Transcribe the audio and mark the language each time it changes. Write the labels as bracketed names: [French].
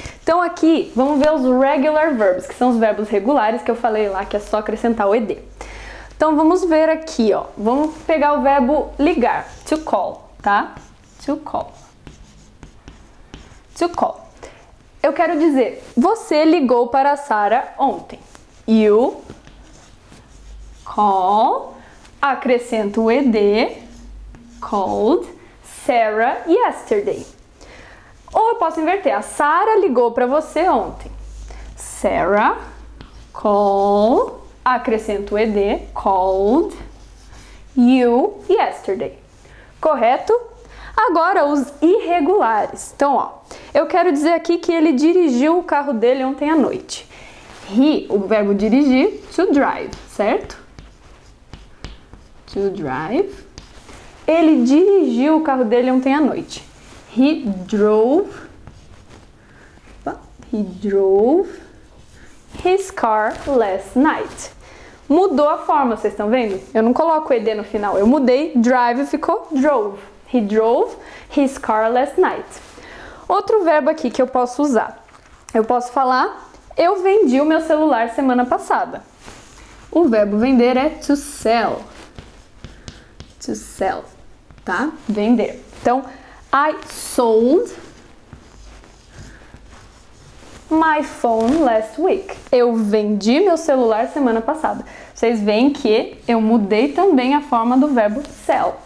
[Portuguese] Então, aqui, vamos ver os regular verbs, que são os verbos regulares que eu falei lá, que é só acrescentar o ed. Então, vamos ver aqui, ó. Vamos pegar o verbo ligar, to call, tá? To call. To call. Eu quero dizer, você ligou para a Sarah ontem. [English] You call, [Portuguese] acrescento o ed, [English] called Sarah yesterday. [Portuguese] Ou eu posso inverter, a Sarah ligou para você ontem. [English] Sarah call, [Portuguese] acrescento o ed, [English] called you yesterday. [Portuguese] Correto? Agora, os irregulares. Então, ó, eu quero dizer aqui que ele dirigiu o carro dele ontem à noite. He, o verbo dirigir, to drive, certo? To drive. Ele dirigiu o carro dele ontem à noite. [English] He drove. He drove his car last night. [Portuguese] Mudou a forma, vocês estão vendo? Eu não coloco ed no final, eu mudei. Drive ficou drove. [English] He drove his car last night. [Portuguese] Outro verbo aqui que eu posso usar. Eu posso falar, eu vendi o meu celular semana passada. O verbo vender é to sell. To sell, tá? Vender. [English] Então, I sold my phone last week. [Portuguese] Eu vendi meu celular semana passada. Vocês veem que eu mudei também a forma do verbo sell.